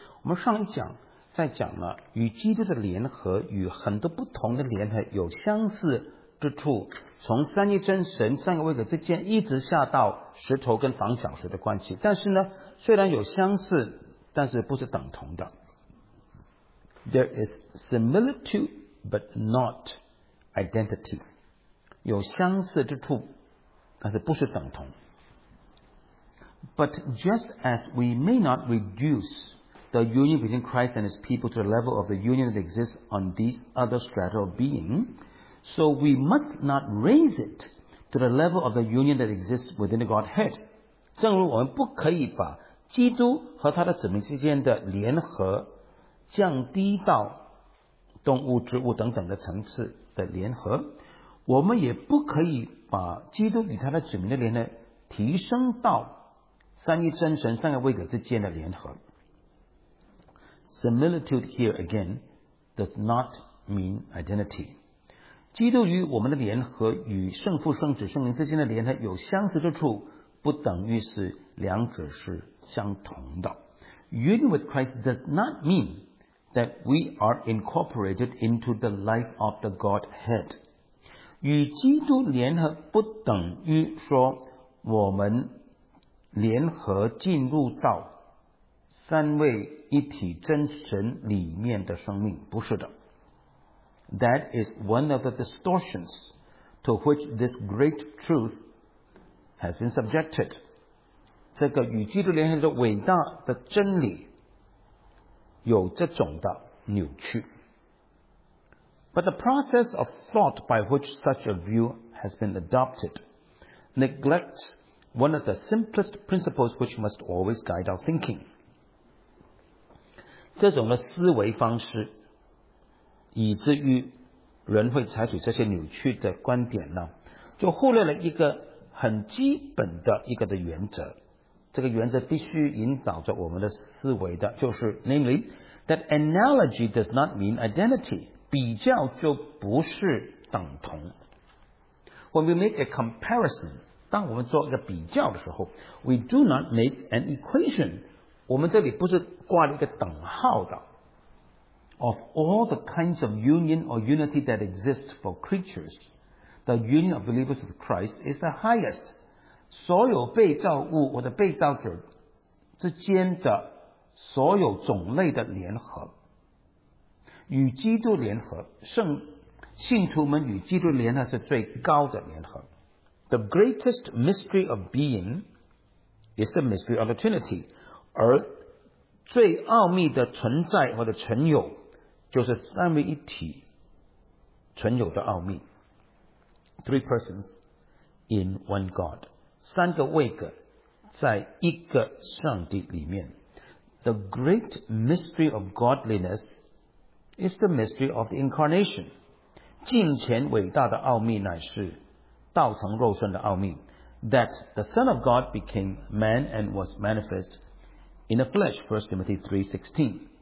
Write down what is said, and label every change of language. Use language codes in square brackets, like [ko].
[zh] 我们上一讲在讲了与基督的联合与很多不同的联合有相似之处，从三一真神三个位格之间一直下到石头跟房角石的关系，但是呢虽然有相似，但是不是等同的。 [en] There is similitude but not identity. [zh] 有相似之处，但是不是等同。 [en] But just as we may not reduce the union between Christ and his people to the level of the union that exists on these other strata of being, so we must not raise it to the level of the union that exists within the Godhead. [zh] 正如我们不可以把基督和他的子民之间的联合降低到动物、植物等等的层次的联合，我们也不可以把基督与他的子民的联合提升到三一真神三个位格之间的联合。 [en] Similitude here again does not mean identity. [zh] 基督与我们的联合与圣父、圣子、圣灵之间的联合有相似之处，不等于是两者是相同的。 [en] Union with Christ does not mean that we are incorporated into the life of the Godhead. [zh] 与基督联合不等于说我们联合进入到三位一体真神里面的生命，不是的。 [en] That is one of the distortions to which this great truth has been subjected. [zh] 这个与基督联合的伟大的真理有这种的扭曲。 [en] But the process of thought by which such a view has been adopted neglects one of the simplest principles which must always guide our thinking. [zh] 这种的思维方式以至于人会采取这些扭曲的观点呢，就忽略了一个很基本的一个的原则。这个原则必须引导着我们的思维的，就是 [en] namely that analogy does not mean identity. [zh] 比较就不是等同。 [en] When we make a comparison, [zh] 当我们做一个比较的时候， [en] we do not make an equation. [zh] 我们这里不是挂了一个等号的。 [en] Of all the kinds of union or unity that exist for creatures, the union of believers with Christ is the highest. [zh] 所有被造物或者被造者之间的所有种类的联合，与基督联合，圣信徒们与基督联合是最高的联合。 [en] The greatest mystery of being is the mystery of the Trinity. [zh] 而最奥秘的存在或者存有就是三位一体存有的奥秘。 [en] Three persons in one God. [zh] 三个位格在一个上帝里面。 [en] The great mystery of godliness is the mystery of the incarnation. [zh] 近前伟大的奥秘乃是道成肉身的奥秘。 [en] That the Son of God became man and was manifest in the flesh, 1 Timothy 3:16.